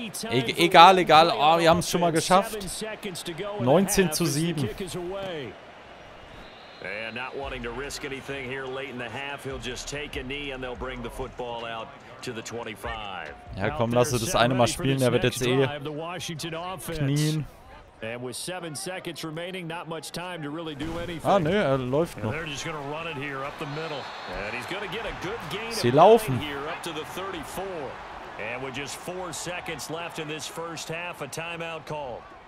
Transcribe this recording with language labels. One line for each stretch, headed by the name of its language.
German: Egal, oh, wir haben es schon mal geschafft. 19 zu 7.
English: And not wanting to risk anything here late in the half, he'll just take a knee and they'll bring the football out to the 25.
German: Ja, komm, lass das eine mal spielen, der wird jetzt eh knien.
English: And with 7 seconds remaining, not much time to really do anything.
German: Ah, ne, er läuft noch.
English: They're just gonna run it here up the middle. And he's gonna get a good gain.
German: Sie laufen.
English: Here up to the 34. And with just 4 seconds left in this first half, a timeout call.